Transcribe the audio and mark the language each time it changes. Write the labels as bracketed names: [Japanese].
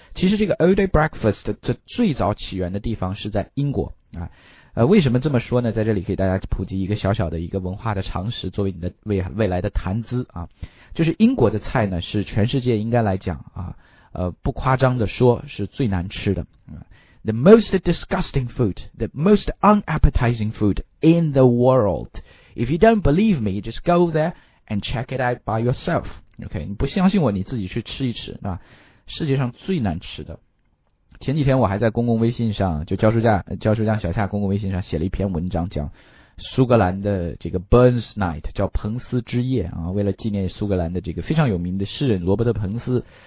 [Chinese] 其实这个 all day breakfast 这最早起源的地方是在英国啊。为什么这么说呢？在这里给大家普及一个小小的一个文化的常识，作为你的未来的谈资啊。就是英国的菜呢，是全世界应该来讲啊，不夸张的说是最难吃的。 [English] The most disgusting food, the most unappetizing food in the world. If you don't believe me, just go there. And check it out by yourself. [Chinese] OK, 你不相信我，你自己去吃一吃，啊，世界上最难吃的。前几天我还在公共微信上，就教书匠小夏公共微信上写了一篇文章，讲苏格兰的这个 Burns Night, 叫彭斯之夜啊，为了纪念苏格兰的这个非常有名的诗人罗伯特彭斯。